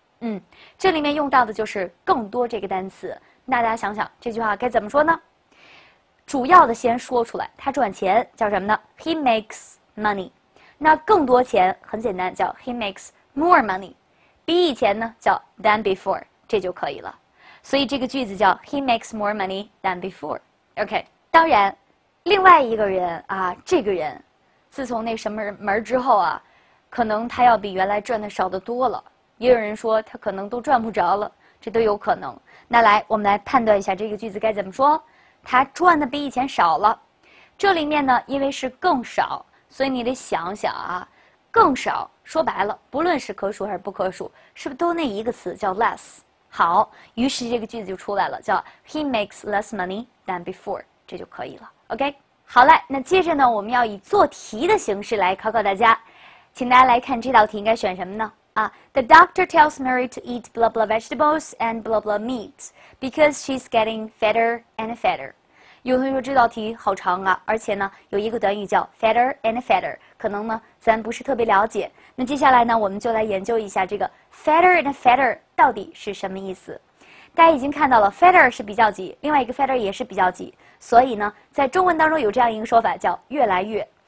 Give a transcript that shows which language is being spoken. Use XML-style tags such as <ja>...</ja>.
<zh>嗯，这里面用到的就是"更多"这个单词。那大家想想，这句话该怎么说呢？主要的先说出来，他赚钱叫什么呢？</zh> <en>He makes money。</en> <zh>那更多钱很简单，叫</zh> <en>He makes more money。</en> <zh>比以前呢，叫</zh> <en>than before，</en> <zh>这就可以了。所以这个句子叫</zh> <en>He makes more money than before。</en> <zh>OK，当然，另外一个人啊，这个人，自从那什么门之后啊，可能他要比原来赚的少得多了。也有人说他可能都赚不着了，这都有可能。那来，我们来判断一下这个句子该怎么说。他赚的比以前少了，这里面呢，因为是更少，所以你得想想啊，更少说白了，不论是可数还是不可数，是不是都那一个词叫 less？好，于是这个句子就出来了，叫</zh> <en>He makes less money than before，</en> <zh>这就可以了。 OK，好嘞，那接着呢，我们要以做题的形式来考考大家，请大家来看这道题应该选什么呢？</zh> <en>啊，The doctor tells Mary to eat blah blah vegetables and blah blah meat because she's getting fatter and fatter。</en> <zh>有同学说这道题好长啊，而且呢，有一个短语叫 fatter and fatter，可能呢咱不是特别了解。那接下来呢，我们就来研究一下这个 fatter and fatter 到底是什么意思。大家已经看到了，fatter 是比较级，另外一个 fatter 也是比较级，所以呢，在中文当中有这样一个说法叫越来越。</zh>